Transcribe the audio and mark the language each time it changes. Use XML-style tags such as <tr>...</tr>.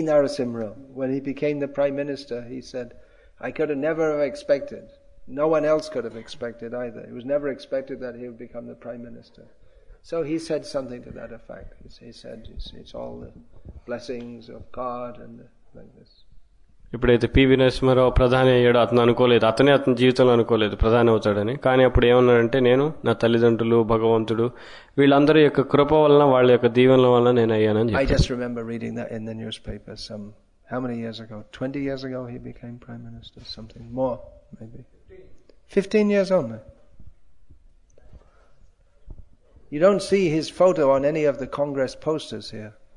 <en>Narasimhrao, when he became the Prime Minister, he said, I could have never have expected, no one else could have expected either. It was never expected that he would become the Prime Minister. So he said something to that effect. He said, it's all the blessings of God and like this.</en> <te>ఇప్పుడైతే PV Narasimha Rao ప్రధాని అయ్యాడు, అతను అనుకోలేదు, అతనే అతని జీవితంలో అనుకోలేదు ప్రధాని అవుతాడని, కానీ అప్పుడు ఏమన్నాడంటే నేను నా తల్లిదండ్రులు భగవంతుడు వీళ్ళందరి యొక్క కృప వలన వాళ్ళ యొక్క దీవెనల వలన నేను అయ్యానని చెప్పాడు.</te> <en>I just remember reading that in the newspaper some how many years ago, 20 years ago he became prime minister, something more maybe 15 years old. You don't see his photo on any of the congress posters here.</en>